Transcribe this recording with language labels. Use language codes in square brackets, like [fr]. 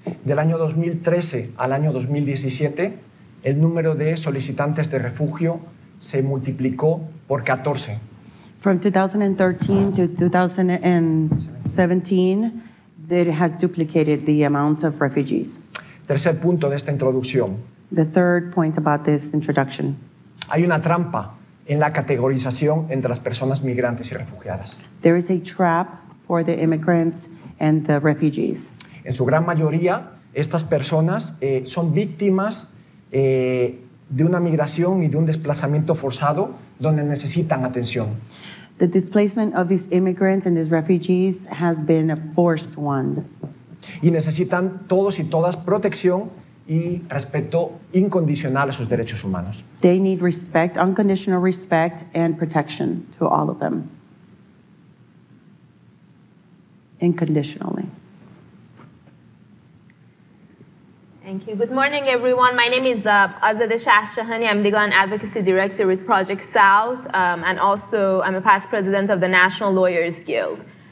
[es] Del año 2013 al año 2017, el número de solicitantes de refugio se multiplicó por 14. [en] From 2013 to 2017, it has duplicated the amount of refugees. [es] Tercer punto de esta introducción. [en] The third point about this introduction. [es] Hay una trampa en la categorización entre las personas migrantes y refugiadas. [en] There is a trap for the immigrants and the refugees. [es] En su gran mayoría, estas personas son víctimas de una migración y de un desplazamiento forzado donde necesitan atención. [en] The displacement of these immigrants and these refugees has been a forced one. [es] Y necesitan todos y todas protección y respeto incondicional a sus derechos humanos. [en] They need respect, unconditional respect and protection to all of them. Unconditionally. Thank you. Good morning, everyone. My name is Azadeh Shahshahani. I'm legal and advocacy director with Project South, and also I'm a past president of the National Lawyers Guild.